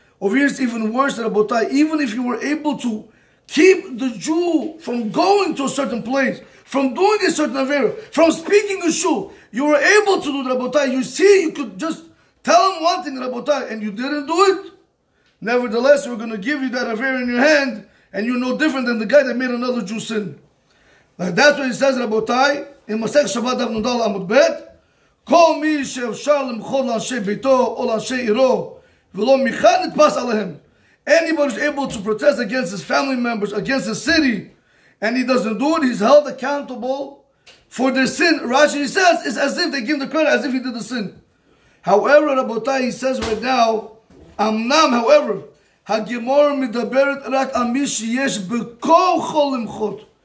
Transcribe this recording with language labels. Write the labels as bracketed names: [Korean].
[English] Over here, it's even worse than Rabotai. Even if you were able to keep the Jew from going to a certain place, from doing a certain avera, from speaking a shul, you were able to do the Rabotai. You see, you could just tell him one thing, Rabotai, and you didn't do it. Nevertheless, we're going to give you that avera in your hand, and you're no different than the guy that made another Jew sin. Like that's what he says, Rabotai, in Masech Shabbat Avnudal Amud Bet. [Hebrew] כל מי שאפשר למחול לאנשי ביתו או לאנשי עירו ולא מיכה נתפס עליהם. [English] Anybody is able to protest against his family members, against the city, and he doesn't do it, he's held accountable for their sin. Rashi says, it's as if they give him the credit, as if he did the sin. However, Rabotai, he says right now, Amnam, however, [Hebrew] HaGemora midaberet rak amishi yesh bekocho limchot.